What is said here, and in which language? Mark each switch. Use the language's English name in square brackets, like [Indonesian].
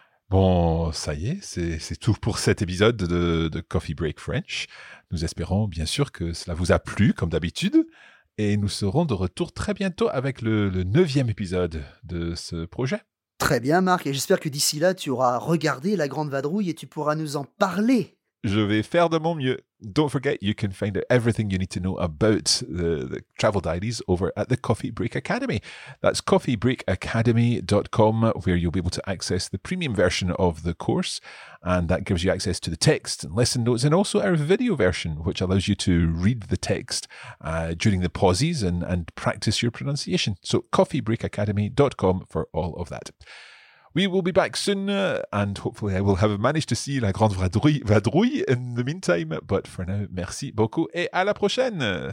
[French] Bon, ça y est, c'est tout pour cet épisode de Coffee Break French. Nous espérons bien sûr que cela vous a plu, comme d'habitude. Et nous serons de retour très bientôt avec le 9e épisode de ce projet. Très bien, Marc. Et j'espère que d'ici là, tu auras regardé La Grande Vadrouille et tu pourras nous en parler. Je vais faire de mon mieux. [English] Don't forget, you can find out everything you need to know about the Travel Diaries over at the Coffee Break Academy. That's coffeebreakacademy.com, where you'll be able to access the premium version of the course. And that gives you access to the text and lesson notes, and also our video version, which allows you to read the text during the pauses and practice your pronunciation. So coffeebreakacademy.com for all of that. We will be back soon, and hopefully I will have managed to see La Grande Vadrouille in the meantime. But for now, [French] merci beaucoup et à la prochaine.